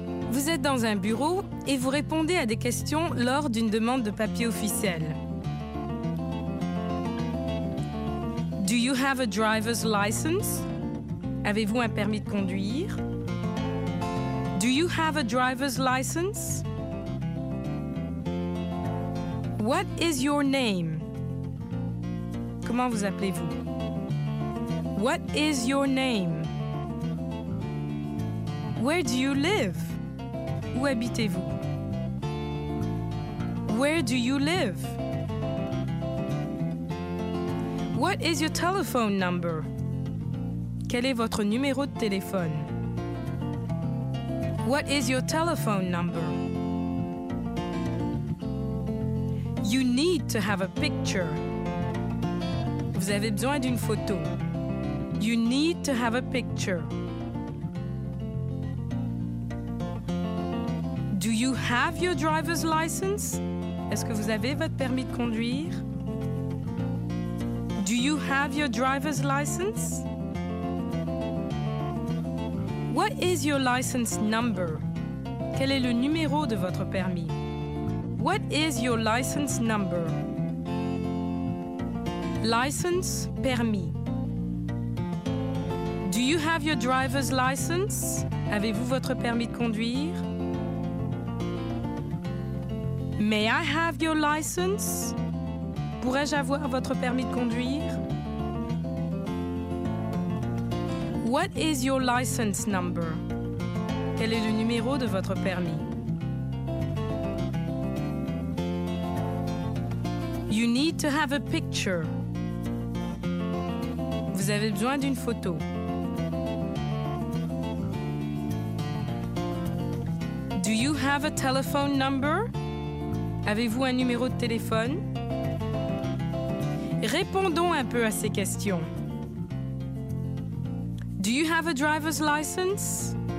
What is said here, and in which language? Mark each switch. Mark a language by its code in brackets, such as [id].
[fr] Vous êtes dans un bureau et vous répondez à des questions lors d'une demande de papier officiel. [en] Do you have a driver's license? [fr] Avez-vous un permis de conduire? [en] Do you have a driver's license? What is your name? [fr] Comment vous appelez-vous? [en] What is your name? Where do you live? [fr] Où habitez-vous? [en] Where do you live? What is your telephone number? [fr] Quel est votre numéro de téléphone? [en] What is your telephone number? You need to have a picture. [fr] Vous avez besoin d'une photo. [en] You need to have a picture. Do you have your driver's license? [fr] Est-ce que vous avez votre permis de conduire? [en] Do you have your driver's license? What is your license number? [fr] Quel est le numéro de votre permis? [en] What is your license number? License, permis. Do you have your driver's license? [fr] Avez-vous votre permis de conduire? [en] May I have your license? [fr] Pourrais-je avoir votre permis de conduire? [en] What is your license number? [fr] Quel est le numéro de votre permis? [en] You need to have a picture. [fr] Vous avez besoin d'une photo. [en] Do you have a telephone number? [fr] Avez-vous un numéro de téléphone? Répondons un peu à ces questions. [en] Do you have a driver's license?